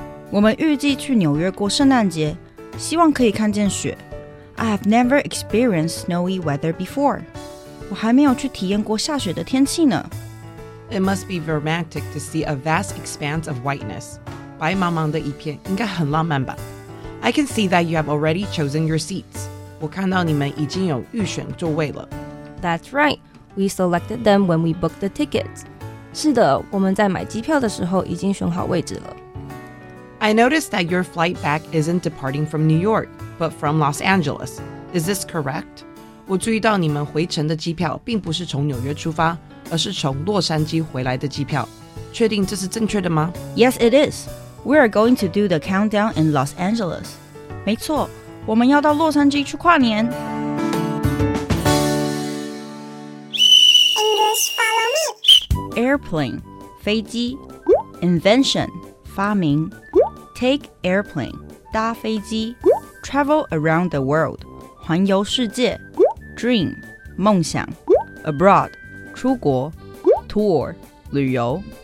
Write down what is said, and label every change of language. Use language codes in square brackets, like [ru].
[zh] 我们预计去纽约过圣诞节，希望可以看见雪。 [en] I have never experienced snowy weather before. [zh] 我还没有去体验过下雪的天气呢。 [en] It must be romantic to see a vast expanse of whiteness. [zh] 白茫茫的一片应该很浪漫吧。 [en] I can see that you have already chosen your seats. [zh] 我看到你们已经有预选座位了。 [en] That's right. We selected them when we booked the tickets. [zh] 是的，我们在买机票的时候已经选好位置了。 [en] I noticed that your flight back isn't departing from New York, but from Los Angeles. Is this correct? [zh] 我注意到你们回程的机票并不是从纽约出发，而是从洛杉矶回来的机票。确定这是正确的吗？ [en] Yes, it is. We are going to do the countdown in Los Angeles. [zh] 没错，我们要到洛杉矶去跨年。 [en] Airplane, 飞机 Invention, 发明 Take airplane, 搭飞机 Travel around the world, 环游世界 Dream, 梦想 Abroad, 出国 Tour, 旅游